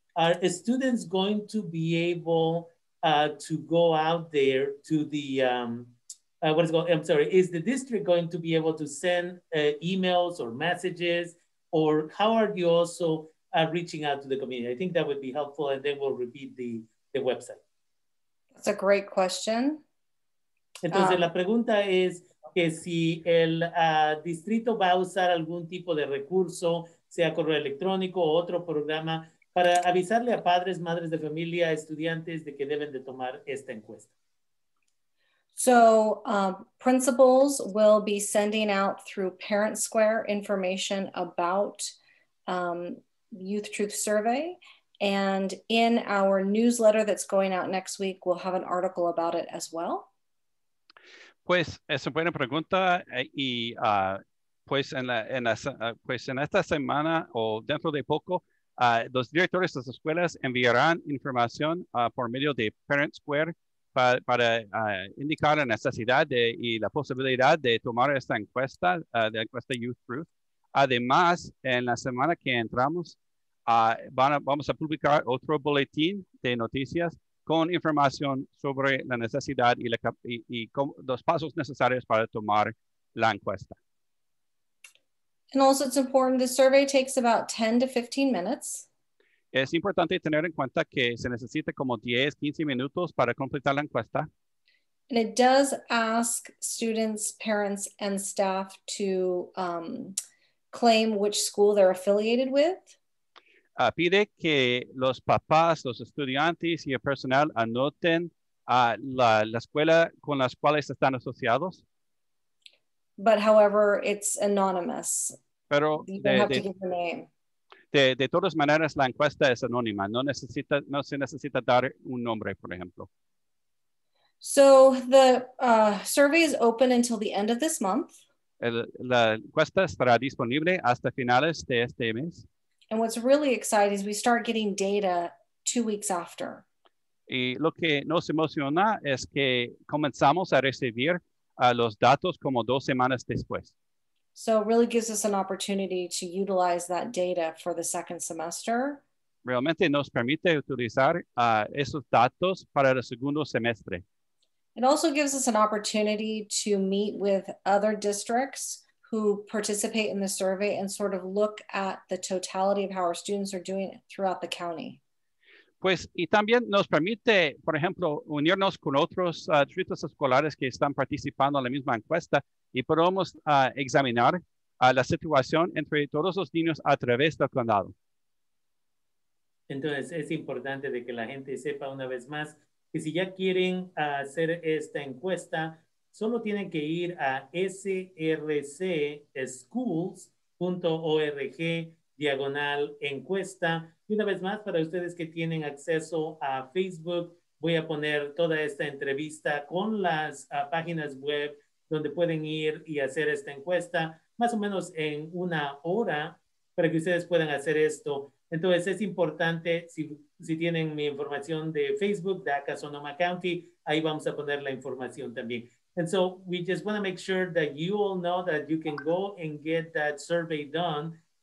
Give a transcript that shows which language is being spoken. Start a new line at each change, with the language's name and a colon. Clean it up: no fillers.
English: Are students going to be able to go out there to the... is the district going to be able to send emails or messages, or how are you also reaching out to the community? I think that would be helpful, and then we'll repeat the website. That's a great question.
Spanish: Entonces, la pregunta es que si el distrito va a usar algún tipo de recurso, sea correo electrónico o otro programa, para avisarle a padres, madres de familia, estudiantes de que deben de tomar esta encuesta.
English: So principals will be sending out through Parent Square information about Youth Truth Survey. And in our newsletter that's going out next week, we'll have an article about it as well.
Spanish: Pues es una buena pregunta. Y pues en esta semana o dentro de poco, Los directores de las escuelas enviarán información por medio de Parent Square para indicar la necesidad de, y la posibilidad de tomar esta encuesta, de la encuesta Youth Truth. Además, en la semana que entramos, vamos a publicar otro boletín de noticias con información sobre la necesidad y los pasos necesarios para tomar la encuesta.
English: And also it's important, the survey takes about 10 to 15 minutes.
Spanish: Es importante tener en cuenta que se necesita como 10, 15 minutos para completar la encuesta.
English: And it does ask students, parents, and staff to claim which school they're affiliated with.
Spanish: Pide que los papás, los estudiantes y el personal anoten la escuela con las cuales están asociados.
English: But however, it's anonymous.
Spanish: Pero
English: you don't have to give the name.
Spanish: De todas maneras, la encuesta es anónima. No se necesita dar un nombre, por ejemplo.
English: So the survey is open until the end of this month.
Spanish: La encuesta estará disponible hasta finales de este mes.
English: And what's really exciting is we start getting data 2 weeks after.
Spanish: Y lo que nos emociona es que comenzamos a recibir los datos como 2 semanas después.
English: So it really gives us an opportunity to utilize that data for the second semester.
Spanish: Realmente nos permite utilizar esos datos para el segundo semestre.
English: It also gives us an opportunity to meet with other districts who participate in the survey and sort of look at the totality of how our students are doing throughout the county.
Spanish: Pues, y también nos permite, por ejemplo, unirnos con otros distritos escolares que están participando en la misma encuesta y podemos examinar la situación entre todos los niños a través del condado. Entonces, es importante de que la gente sepa una vez más que si ya quieren hacer esta encuesta, solo tienen que ir a srcschools.org/encuesta. Y una vez más, para ustedes que tienen acceso a Facebook, voy a poner toda esta entrevista con las páginas web donde pueden ir y hacer esta encuesta, más o menos en una hora, para que ustedes puedan hacer esto. Entonces, es importante, si tienen mi información de Facebook, de acá Sonoma County, ahí vamos a poner la información también.
English: And so we just want to make sure that you all know that you can go and get that survey done.